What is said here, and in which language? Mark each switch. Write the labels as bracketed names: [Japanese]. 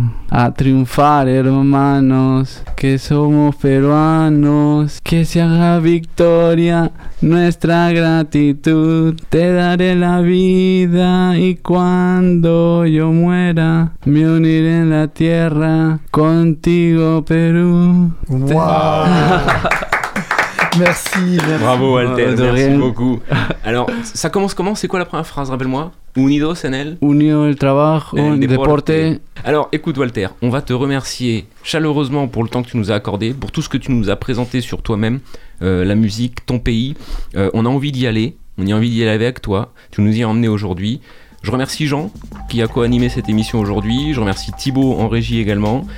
[Spanish] A triunfar, hermanos, que somos peruanos, que se haga victoria nuestra gratitud. Te daré la vida y cuando yo muera, me uniré en la tierra contigo, Perú. [French] Wow. Merci, merci. Bravo, Walter, merci rien. Beaucoup. Alors, ça commence comment? C'est quoi la première phrase? Rappelle-moi. [Spanish] Unidos en el... Unido el trabajo, el deporte. [French] Alors, écoute, Walter, on va te remercier chaleureusement pour le temps que tu nous as accordé, pour tout ce que tu nous as présenté sur toi-même, la musique, ton pays. On a envie d'y aller. On a envie d'y aller avec toi. Tu nous y as emmené aujourd'hui. Je remercie Jean qui a co-animé cette émission aujourd'hui. Je remercie Thibaut en régie également.